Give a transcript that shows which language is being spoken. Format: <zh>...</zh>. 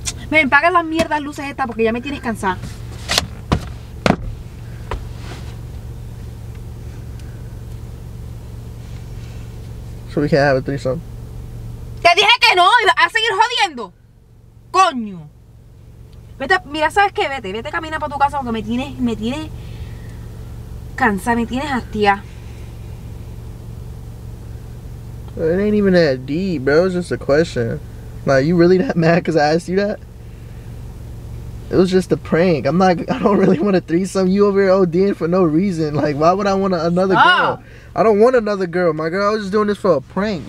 <es>Ven, paga las mierdas luces estas porque ya me tienes cansada.</es> <en>So we can have a threesome.</en> <es>Te dije que no, iba a seguir jodiendo. Coño. Vete, mira, ¿sabes qué? Vete camina para tu casa porque me tienes cansada, me tienes hastía.</es> <en>It ain't even that deep, bro. It was just a question. Like, you really that mad because I asked you that? It was just a prank. I don't really want a threesome. You over here ODing for no reason. Like, why would I want another girl? I don't want another girl, my girl. I was just doing this for a prank.</en>